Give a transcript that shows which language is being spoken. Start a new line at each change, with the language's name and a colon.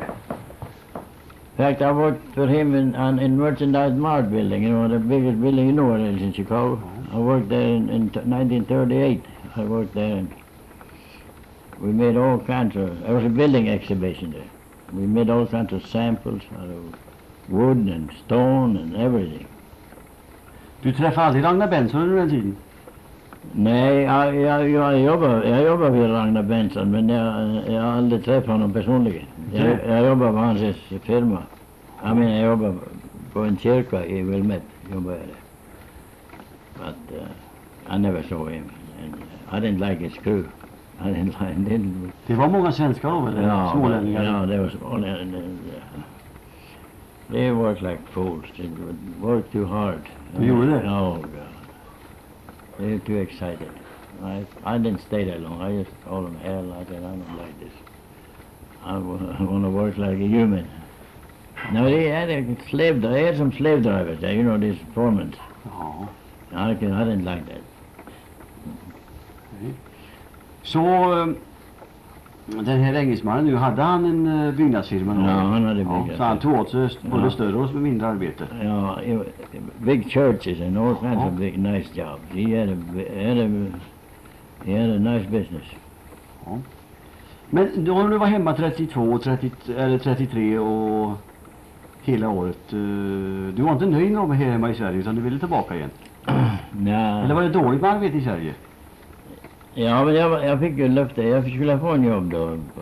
English: In fact, I worked for him in Merchandise Mart building, you know, the biggest building you know where it is in Chicago. I worked there in 1938. I worked there, and we made all kinds of, there was a building exhibition there. We made all kinds of samples out of wood and stone and everything.
Swedish: Du träffade aldrig Ragnar Benson under den tiden? Nej, jag jobbade vid Ragnar Benson, men jag aldrig träffade honom personligen. Jag jobbade på hans firma. Jag menar, jag jobbade på en kyrka i Wilmette, jobbade där.
English: But I never saw him. I didn't like his crew. I didn't like him.
Swedish: Det var många svenskar
English: over there,
Swedish: smålänningar. Ja, det var smålänningar.
English: They worked like fools. They worked too hard.
Swedish: Du gjorde det?
English: Ja, oh God. They were too excited. I didn't stay there long. I just told them, hell, I said, I don't like this. I want to work like a human.
Swedish: No, det är en slevdra, det är som slevdriver, det är ju nog det formen. Ja.
English: I didn't like that.
Swedish: Så, den här engelsmannen nu, hade han en byggnadsfirma? Ja, han hade byggnadsfirma. Så han tog åt sig både större och mindre arbete?
English: Ja, big churches and all kinds of big, nice jobs. He had a nice business.
Swedish: Ja. Men då när du var hemma 32, 30, eller 33 och hela året, du var inte nöjd med att vara hemma i Sverige utan du ville tillbaka igen? Nej. Eller var det dåligt med arbete i Sverige? Ja, men jag fick ju löfte. Jag skulle få en jobb då.